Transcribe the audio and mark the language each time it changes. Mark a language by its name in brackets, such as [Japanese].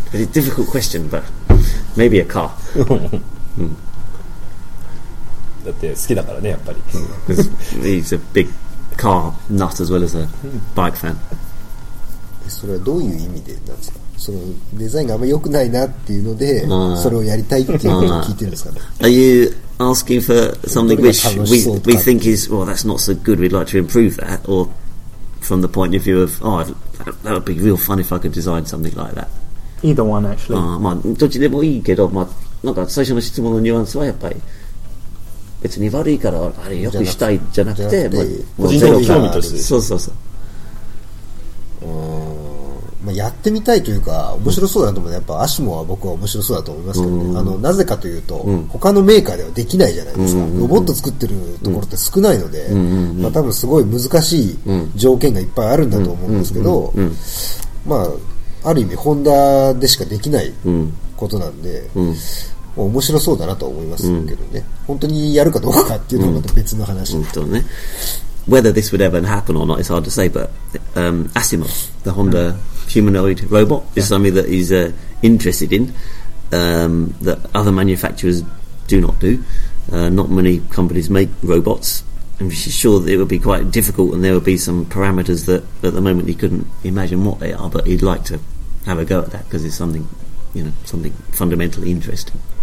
[English] It's a difficult question, but maybe a car. 、 [Japanese] うん、だって好きだからねやっぱり。 [English] He's a big car nut as well as a bike fan. [Japanese] それはどういう意味でなんですか。そのデザインがあんま良くないなっていうので、それをやりたいっていうのを聞いてるんですかね。 [English] Are you asking for something which we think is well, that's not so good. We'd like to improve that or from the point of view of oh that would be real fun if I could design something like that. Either one actually. [Japanese] Ah, まあどっちでもいいけど、まあなんか最初の質問のニュアンスはやっぱり別に悪いからあれよくしたいじゃなくて、まあ個人的興味として。そうそうそう。まあやってみたいというか面白そうだなと思うね。やっぱアシモは僕は面白そうだと思いますけどね。なぜかというと他のメーカーではできないじゃないですか。ロボット作ってるところって少ないので、まあ多分すごい難しい条件がいっぱいあるんだと思うんですけど、まあある意味ホンダでしかできないことなんで、もう面白そうだなと思いますけどね。本当にやるかどうかっていうのはまた別の話。本当ね。 [English] Whether this would ever happen or not is hard to say, but Asimo, the Honda humanoid robot, is something that he's interested in. that other manufacturers do not do. Not many companies make robots. I'm sure that it would be quite difficult, and there would be some parameters that at the moment he couldn't imagine what they are, but he'd like to have a go at that because it's something, you know, something fundamentally interesting.